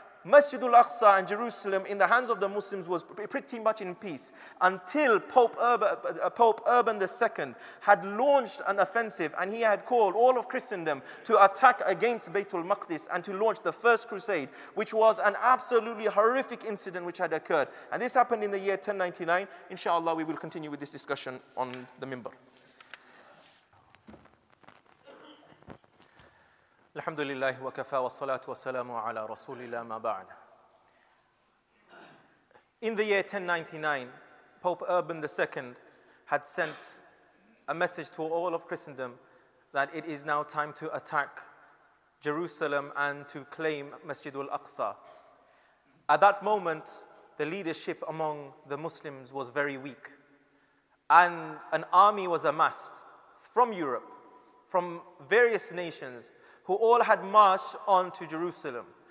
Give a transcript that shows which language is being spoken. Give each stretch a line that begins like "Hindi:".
English: Masjid al-Aqsa and Jerusalem in the hands of the Muslims was pretty much in peace until Pope Urban II had launched an offensive, and he had called all of Christendom to attack against Baytul Maqdis and to launch the first crusade, which was an absolutely horrific incident which had occurred. And this happened in the year 1099. Inshallah, we will continue with this discussion on the minbar.
Arabic: الحمد لله وكفى والصلاة والسلام على رسول الله ما بعد.
English: In the year 1099, Pope Urban II had sent a message to all of Christendom that it is now time to attack Jerusalem and to claim Masjid al-Aqsa. At that moment, the leadership among the Muslims was very weak, and an army was amassed from Europe, from various nations, who all had marched on to Jerusalem.